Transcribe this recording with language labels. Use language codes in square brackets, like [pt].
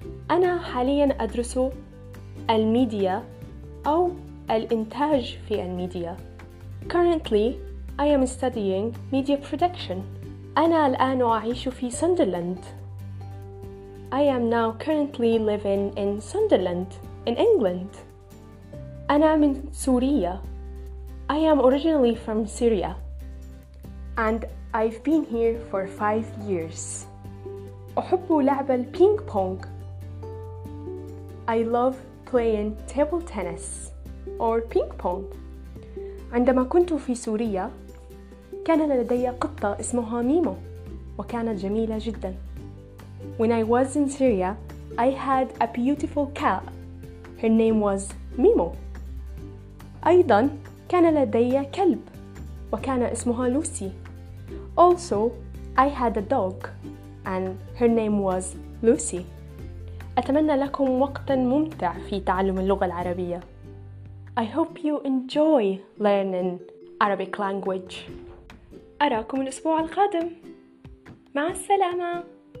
[ar] أنا حاليا أدرس الميديا أو الإنتاج في الميديا. [en] Currently, I am studying media production. [ar] أنا الآن أعيش في سندرلاند. [en] I am now currently living in Sunderland, in England. [ar] أنا من سوريا. [en] I am originally from Syria. And I've been here for 5 years. [ar] أحب لعب البينج بونج. [en] I love playing table tennis or ping pong. [ar] عندما كنت في سوريا كان لدي قطة اسمها ميمو وكانت جميلة جدا. [en] When I was in Syria, I had a beautiful cat. Her name was Mimo. [ar] أيضا كان لدي كلب وكان اسمها لوسي. [en] Also, I had a dog and her name was Lucy. [ar] أتمنى لكم وقتا ممتع في تعلم اللغة العربية. [en] I hope you enjoy learning Arabic language. [ar] أراكم الأسبوع القادم. مع السلامة.